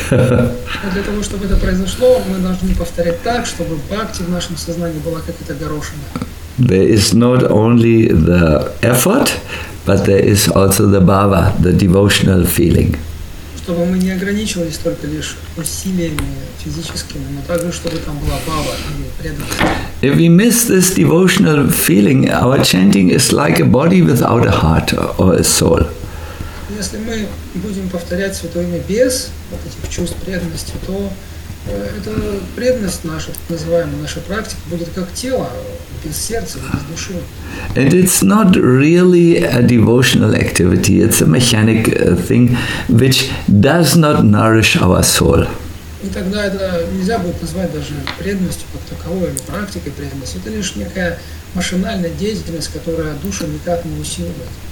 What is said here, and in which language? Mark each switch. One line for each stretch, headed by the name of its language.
Russian: Для того, чтобы это произошло, мы должны повторять так, чтобы бхакти в нашем сознании была какая-то горошина.
English: There is not only the effort, but there is also the bhava, the devotional feeling.
Russian: Чтобы мы не ограничивались только лишь усилиями физическими, но также чтобы там была бхава или преданность.
English: If we miss this devotional feeling, our chanting is like a body without a heart or a soul.
Russian: Если мы будем повторять Святое Имя без вот этих чувств преданности, то эта преданность наша, так называемая наша практика, будет как тело, без сердца, без души.
English: And it's not really a devotional activity, it's a mechanic thing, which does not nourish our soul.
Russian: И тогда это нельзя будет назвать даже преданностью как таковой, или практикой преданности. Это лишь некая машинальная деятельность, которая душу никак не усиливает.